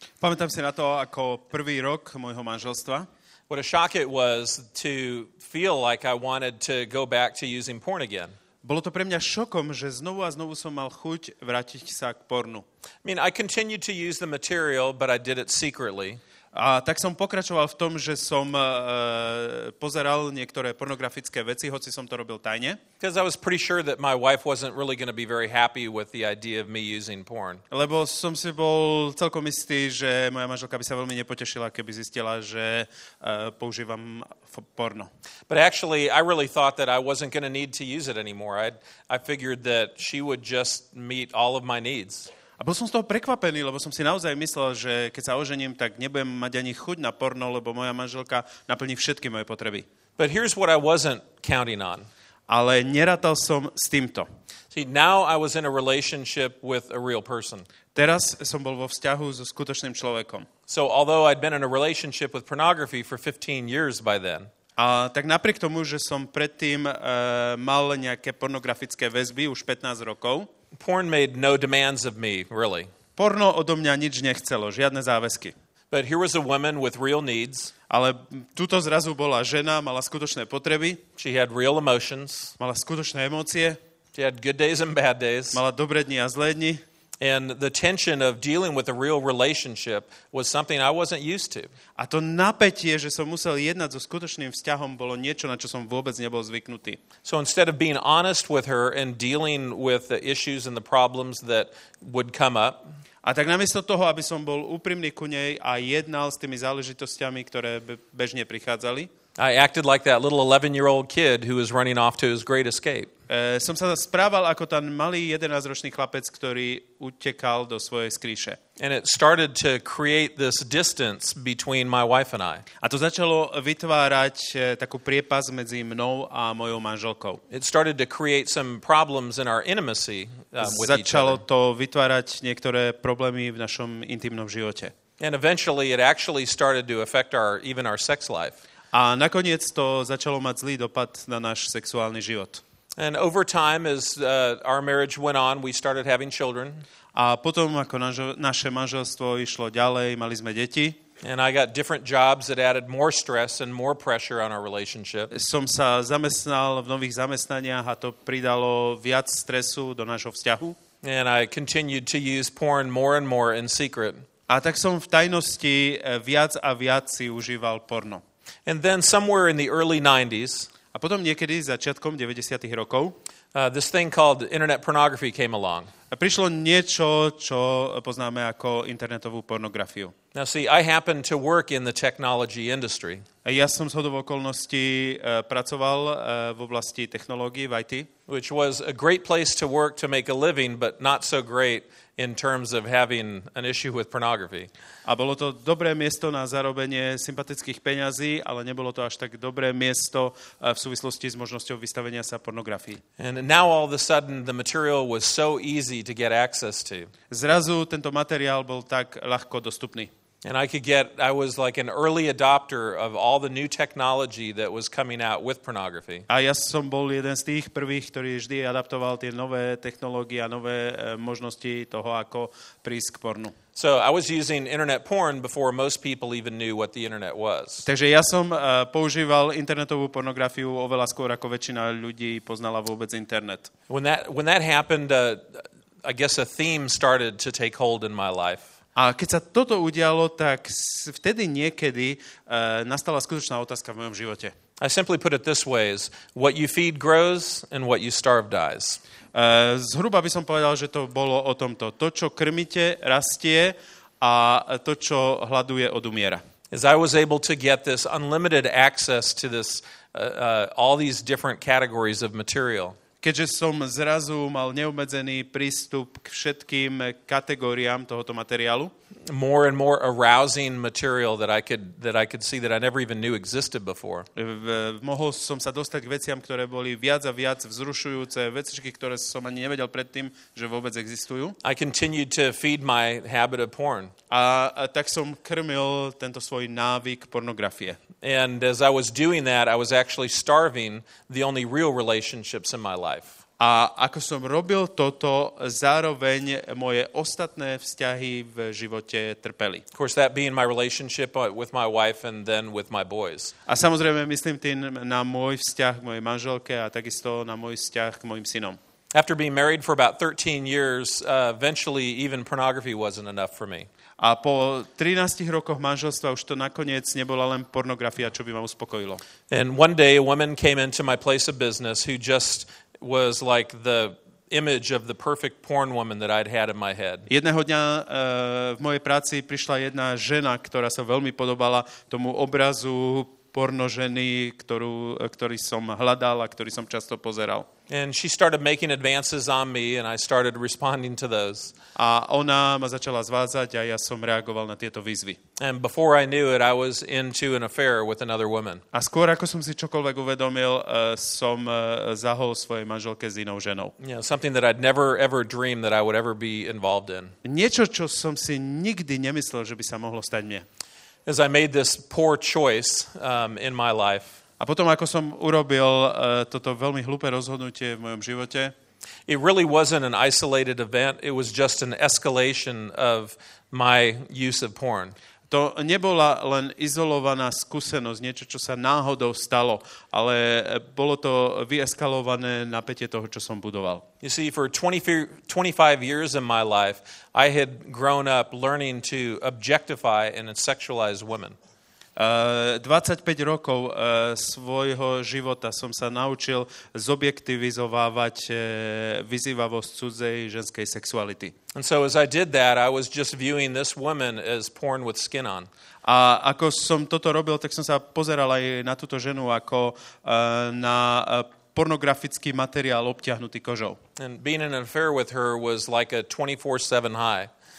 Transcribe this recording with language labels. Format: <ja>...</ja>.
<sk>Pamätám si na to ako prvý rok môjho manželstva.</sk> <en>What a shock it was to feel like I wanted to go back to using porn again.</en> <sk>Bolo to pre mňa šokom, že znovu a znovu som mal chuť vrátiť sa k pornu.</sk> <en>I mean, I continued to use the material, but I did it secretly.</en> <sk>A tak som pokračoval v tom, že som pozeral niektoré pornografické veci, hoci som to robil tajne.</sk> <en>Because I was pretty sure that my wife wasn't really going to be very happy with the idea of me using porn.</en> <sk>Lebo som si bol celkom istý, že moja manželka by sa veľmi nepotešila, keby zistila, že používam porno.</sk> <en>But actually, I really thought that I wasn't going to need to use it anymore. I figured that she would just meet all of my needs.</en> <sk>A bol som z toho prekvapený, lebo som si naozaj myslel, že keď sa ožením, tak nebudem mať ani chuť na porno, lebo moja manželka naplní všetky moje potreby.</sk> <en>But here's what I wasn't counting on.</en> <sk>ale nerátal som s týmto.</sk> <en>See, now I was in a relationship with a real person.</en> <sk>Teraz som bol vo vzťahu so skutočným človekom.</sk> <en>So although I'd been in a relationship with pornography for 15 years by then.</en> <sk>A tak napriek tomu, že som predtým mal nejaké pornografické väzby už 15 rokov.</sk> <en>Porn made no demands of me, really.</en> <sk>Porno odo mňa nič nechcelo, žiadne záväzky.</sk> <en>But here was a woman with real needs.</en> <sk>Ale tuto zrazu bola žena, mala skutočné potreby.</sk> <en>She had real emotions.</en> <sk>Mala skutočné emócie.</sk> <en>She had good days and bad days.</en> <sk>Mala dobré dni a zlé dni.</sk> <en>And the tension of dealing with a real relationship was something I wasn't used to.</en> <sk>A to napätie, že som musel jednať so skutočným vzťahom, bolo niečo, na čo som vôbec nebol zvyknutý.</sk> <en>So instead of being honest with her and dealing with the issues and the problems that would come up,</en> <sk>a tak namiesto toho, aby som bol úprimný ku nej a jednal s tými záležitosťami, ktoré bežne prichádzali,</sk> <en>I acted like that little 11-year-old kid who is running off to his great escape.</en> <sk>Som sa správal ako ten malý 11-ročný chlapec, ktorý utekal do svojej skrýše.</sk> <en>And it started to create this distance between my wife and I.</en> <sk>A to začalo vytvárať takú priepas medzi mnou a mojou manželkou.</sk> <en>It started to create some problems in our intimacy with each other.</en> <sk>Začalo to vytvárať niektoré problémy v našom intimnom živote.</sk> <en>And eventually it actually started to affect our even our sex life.</en> <sk>A nakoniec to začalo mať zlý dopad na náš sexuálny život.</sk> <en>And over time as our marriage went on, we started having children.</en> <sk>A potom ako naše manželstvo išlo ďalej, mali sme deti.</sk> <en>And I got different jobs that added more stress and more pressure on our relationship.</en> <sk>Som sa zamestnal v nových zamestnaniach a to pridalo viac stresu do nášho vzťahu.</sk> <en>And I continued to use porn more and more in secret.</en> <sk>A tak som v tajnosti viac a viac si užíval porno.</sk> <en>And then somewhere in the early 90s,</en> <sk>a potom niekedy začiatkom 90. rokov,</sk> <en>this thing called internet pornography came along.</en> <sk>A prišlo niečo, čo poznáme ako internetovú pornografiu.</sk> <en>Now see, I happen to work in the technology industry.</en> <sk>A ja som zhodou okolností pracoval v oblasti technológií, v IT.</sk> <en>Which was a great place to work to make a living, but not so great in terms of having an issue with pornography.</en> <sk>A bolo to dobré miesto na zarobenie sympatických peňazí, ale nebolo to až tak dobré miesto v súvislosti s možnosťou vystavenia sa pornografii.</sk> <en>And now all of a sudden the material was so easy to get access to.</en> <sk>Zrazu tento materiál bol tak ľahko dostupný.</sk> <en>And I was like an early adopter of all the new technology that was coming out with pornography.</en> <sk>A ja som bol jeden z tých prvých, ktorý vždy adaptoval tie nové technológie a nové možnosti toho, ako prísť k pornu.</sk> <en>So I was using internet porn before most people even knew what the internet was.</en> <sk>Takže ja som používal internetovú pornografiu oveľa skôr, ako väčšina ľudí poznala vôbec internet.</sk> <en>When that happened, I guess a theme started to take hold in my life.</en> <sk>A keď sa toto udialo, tak vtedy niekedy nastala skutočná otázka v mojom živote.</sk> <en>I simply put it this way, what you feed grows and what you starve dies.</en> <sk>Zhruba by som povedal, že to bolo o tomto. To, čo krmíte, rastie a to, čo hladuje, odumiera.</sk> <en>As I was able to get this unlimited access to this all these different categories of material.</en> <sk>Keďže som zrazu mal neobmedzený prístup k všetkým kategóriám tohoto materiálu.</sk> <en>More and more arousing material that I could see that I never even knew existed before.</en> <sk>Mohol som sa dostať k veciam, ktoré boli viac a viac vzrušujúce, veci, ktoré som ani nevedel predtým, že vôbec existujú.</sk> <en>I continued to feed my habit of porn.</en> <sk>A tak som krmil tento svoj návyk pornografie.</sk> <en>And as I was doing that, I was actually starving the only real relationships in my life.</en> <sk>A ako som robil toto, zároveň moje ostatné vzťahy v živote trpeli.</sk> <en>Of course, that being my relationship with my wife and then with my boys.</en> <sk>A samozrejme, myslím tým na môj vzťah k mojej manželke a takisto na môj vzťah k mojim synom.</sk> <en>After being married for about 13 years, eventually even pornography wasn't enough for me.</en> <sk>A po 13 rokoch manželstva už to nakoniec nebola len pornografia, čo by ma uspokojilo.</sk> <en>And one day a woman came into my place of business who just was like the image of the perfect porn woman that I'd had in my head.</en> <sk>Jedného dňa v mojej práci prišla jedna žena, ktorá sa veľmi podobala tomu obrazu porno ženy, ktorý som hľadal a ktorý som často pozeral.</sk> <en>And she started making advances on me and I started responding to those.</en> <sk>A ona ma začala zvádzať a ja som reagoval na tieto výzvy.</sk> <en>And before I knew it, I was into an affair with another woman.</en> <sk>A skôr ako som si čokoľvek uvedomil, som zahol svojej manželke s inou ženou.</sk> <en>Yeah, something that I'd never ever dreamed that I would ever be involved in.</en> <sk>Niečo, čo som si nikdy nemyslel, že by sa mohlo stať mne.</sk> <en>As I made this poor choice in my life.</en> <sk>A potom ako som urobil toto veľmi hlúpe rozhodnutie v mojom živote.</sk> <en>It really wasn't an isolated event, it was just an escalation of my use of porn.</en> <sk>To nebola len izolovaná skúsenosť, niečo, čo sa náhodou stalo, ale bolo to vyeskalované napätie toho, čo som budoval.</sk> <en>You see, for 25 years in my life, I had grown up learning to objectify and sexualize women.</en> <sk>25 rokov svojho života som sa naučil zobjektivizovávať vyzývavosť cudzej ženskej sexuality.</sk> <en>And so as I did that, I was just viewing this woman as porn with skin on.</en> <sk>A ako som toto robil, tak som sa pozeral aj na túto ženu ako na pornografický materiál obťahnutý kožou.</sk> <en>And being in an affair with her was like a 24/7 high.</en>